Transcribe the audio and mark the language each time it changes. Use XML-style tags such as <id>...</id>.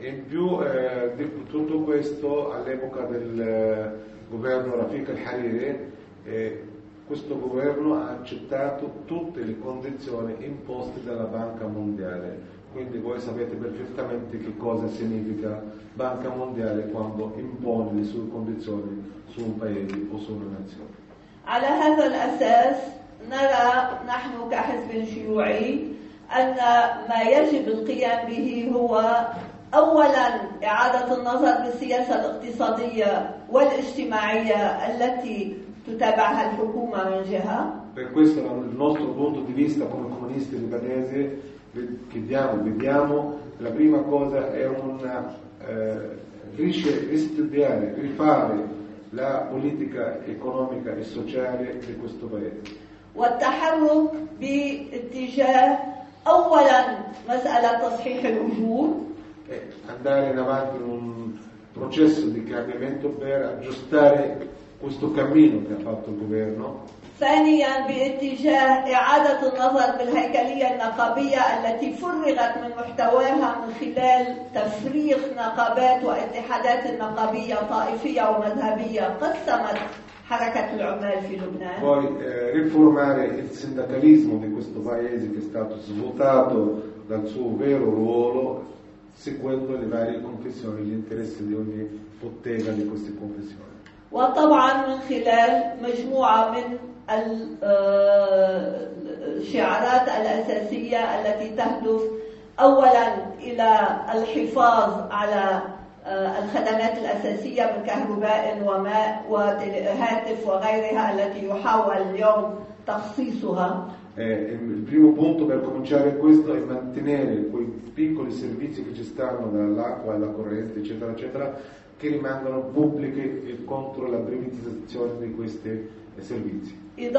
<it>In più di tutto questo, all'epoca del governo Rafiq al-Hariri, questo governo ha accettato tutte le condizioni imposte dalla Banca Mondiale. Quindi voi sapete perfettamente che cosa significa Banca Mondiale quando impone le sue condizioni su un paese o su una nazione.</it> <ar>على هذا الأساس نرى نحن كحزب شيوعي أن ما يجب القيام به هو أولا إعادة النظر بالسياسة الاقتصادية والاجتماعية التي تتابعها الحكومة من جهة.</ar> <it>Per questo il nostro punto di vista come comunisti libanesi vediamo la prima cosa è una ristudiare, rifare la politica economica e sociale di questo paese.</it> <ar>والتحرك باتجاه أولا مسألة تصحيح الوجود.</ar> <it>Andare in avanti in un processo di cambiamento per aggiustare questo cammino che ha fatto il governo.</it> <ar>ثانيا باتجاه إعادة النظر بالهيكلية النقابية التي فرغت من محتواها من خلال تفريغ نقابات واتحادات نقابية طائفية ومذهبية قسمت حركة العمال في لبنان.</ar> <it>Poi riformare il sindacalismo di questo paese che è stato svuotato dal suo vero ruolo seguendo le varie confessioni, gli interessi di ogni bottega di queste confessioni.</it> <ar>وطبعا من خلال مجموعة من الشعارات الأساسية التي تهدف أولا إلى الحفاظ على الخدمات الأساسية من كهرباء وماء وهاتف وغيرها التي يحاول اليوم تخصيصها.</ar> <it>Il primo punto per cominciare questo è mantenere quei piccoli servizi che ci stanno dall'acqua alla corrente eccetera eccetera che rimangono pubbliche e contro la privatizzazione di questi servizi.</it>